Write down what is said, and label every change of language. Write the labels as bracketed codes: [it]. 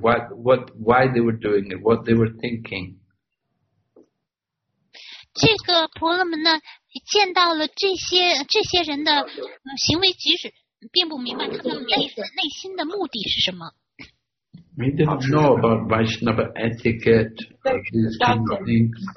[en] Why they were doing it, what they were thinking. [zh] 这个婆罗门呢，见到了这些人的行为举止，并不明白他们内心的目的是什么。 [en] He didn't know about Vaishnava etiquette or these kind of things.